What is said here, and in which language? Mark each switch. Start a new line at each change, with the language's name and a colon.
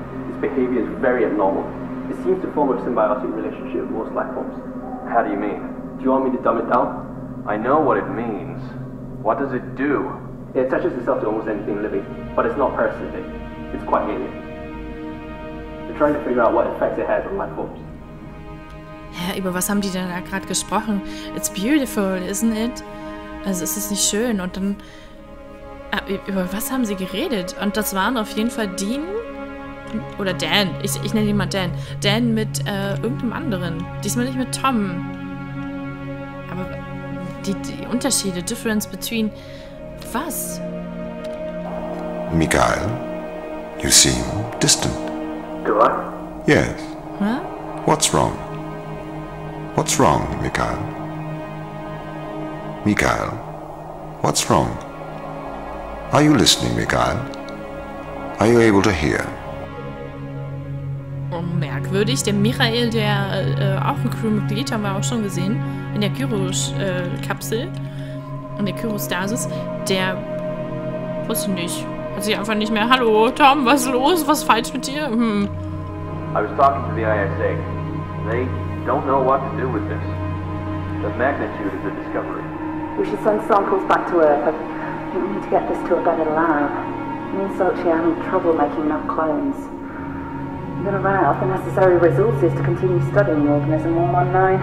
English: Its behavior is very abnormal. It seems to form a symbiotic relationship with most life forms. How do you mean? Do you want me to dumb it down? I know what it means. What does it do? It attaches itself to almost anything living, but it's not parasitic. It's quite alien. We're trying to figure out what effects it has on life forms.
German: Hä, über was haben die denn da gerade gesprochen?
English: It's beautiful, isn't it?
German: Also ist es nicht schön? Und dann... über was haben sie geredet? Und das waren auf jeden Fall Dean... oder Dan. Ich nenne ihn mal Dan. Dan mit irgendeinem anderen. Diesmal nicht mit Tom. Aber die Unterschiede,
English: difference between...
German: was?
English: Mikael, you seem distant. Do I? Yes. Huh? What's wrong? What's wrong, Mikael? Mikael, what's wrong? Are you listening, Mikael? Are you able to hear?
German: Oh, merkwürdig, der Michael, der auch ein Crewmitglied, haben wir auch schon gesehen, in der Kyros-Kapsel, in der Kyrostasis, der, weiß ich nicht, hat sich einfach nicht mehr, hallo, Tom, was ist los, was ist falsch mit dir? Hm.
English: I was talking to the ISA. They don't know what to do with this. The magnitude of the discovery. We should send samples back to Earth. We need to get this to a better lab. Me and Sochi are having trouble making enough clones. I'm gonna run out of the necessary resources to continue studying the organism 119.